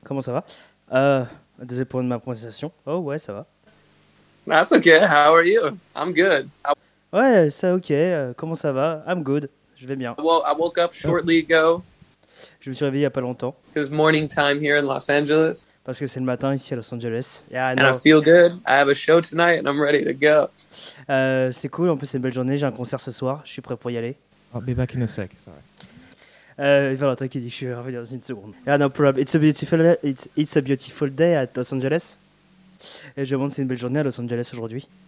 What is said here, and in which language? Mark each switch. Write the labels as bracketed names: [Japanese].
[French] Comment ça va? Désolé pour ma prononciation. Oh ouais, ça va. [English] That's okay, how are you? I'm good. [French] Ouais, c'est ok. Comment ça va? [English] I'm good. [French] Je vais bien. [English] Well, I woke up shortly ago. [French] Je me suis réveillé il y a pas longtemps. [English] It's morning time here in Los Angeles. [French] Parce que c'est le matin ici à Los Angeles. [English] Yeah, I know. And I feel good. I have a show tonight and I'm ready to go. [French] C'est cool. En plus, c'est une belle journée. J'ai un concert ce soir. Je suis prêt pour y aller. [English] I'll be back in a sec. Sorry. [French] Valentin qui dit que je vais revenir dans une seconde. [English] Yeah, no problem. It's a beautiful day at Los Angeles. [French] Et je me demande si c'est une belle journée à Los Angeles aujourd'hui.